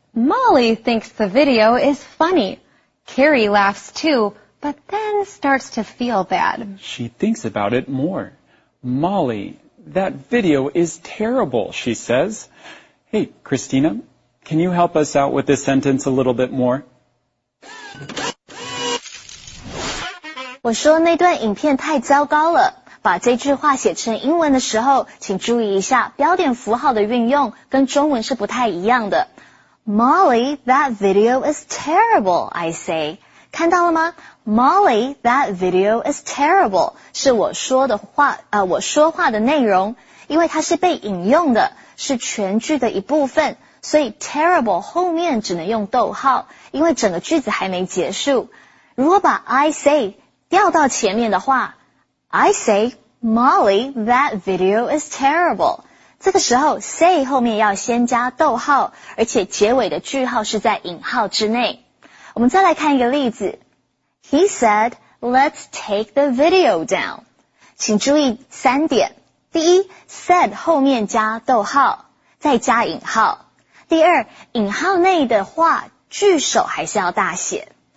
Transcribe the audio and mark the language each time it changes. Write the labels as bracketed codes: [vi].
[en] Molly thinks the video is funny. Carrie laughs too, but then starts to feel bad. She thinks about it more. Molly, that video is terrible, she says. Hey, Christina, can you help us out with this sentence a little bit more? [zh] 我说那段影片太糟糕了。把这句话写成英文的时候，请注意一下标点符号的运用跟中文是不太一样的。 [en] Molly, that video is terrible, I say. [zh] 看到了吗 ? [en] Molly, that video is terrible, [zh] 是我说的话我说话的内容。因为它是被引用的，是全句的一部分，所以 terrible 后面只能用逗号，因为整个句子还没结束。如果把 [en] I say [zh] 调到前面的话 [en] ,I say, Molly, that video is terrible. [zh] 这个时候 say 后面要先加逗号，而且结尾的句号是在引号之内。我们再来看一个例子。 [en] He said, let's take the video down. [zh] 请注意三点。第一 ,said 后面加逗号再加引号。第二引号内的话句首还是要大写。